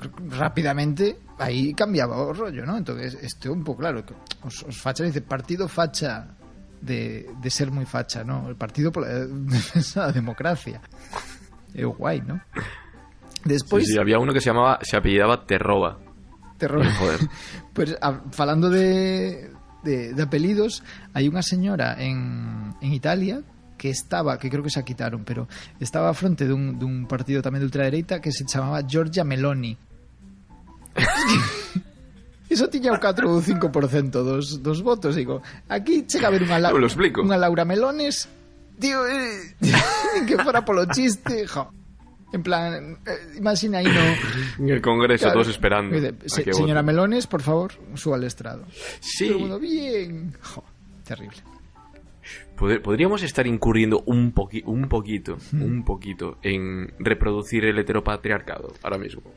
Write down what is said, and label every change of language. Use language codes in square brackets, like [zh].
[gl] rápidamente aí cambiaba o rollo, ¿no? Entonces, este un pouco claro que os facha dice partido facha de ser moi facha, ¿no? El partido pola defensa da democracia. É guai, ¿no? Despois [es] sí, había uno que se apellidaba Terroba. Joder. [gl] Pues falando de apelidos, hai unha señora en Italia que creo que se quitaron, pero estaba a fronte dun partido tamén de ultradereita que se chamaba Giorgia Meloni. Eso tiña o 4 ou 5% dos votos, digo. Aquí chega a haber unha Laura Melones, tío, que fora polo chiste, jo. En plan, imagina aí no... [es] En el Congreso, claro, todos esperando. Señora Melones, por favor, suba al estrado. Sí. Todo mundo, bien. Jo, terrible. Podríamos estar incurriendo un poquito en reproducir el heteropatriarcado ahora mismo.